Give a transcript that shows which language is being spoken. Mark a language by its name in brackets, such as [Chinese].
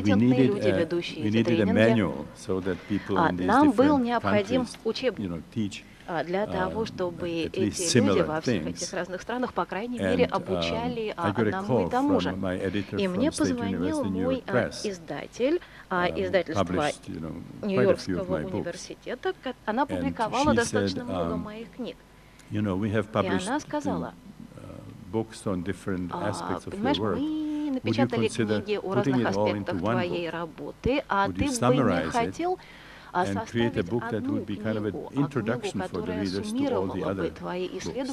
[English] we needed a manual so that people in these different countries, you know, teach [Russian] для того, чтобы эти люди во всех этих разных странах, по крайней мере, обучали одному и тому же. И мне позвонил мой издательство Нью-Йоркского университета. Она публиковала достаточно много моих книг. [English] You know, we have published books on different aspects of your work. Would you consider putting it all into one book? Would you summarize it and create a book that would be kind of an introduction for the readers to all the other books?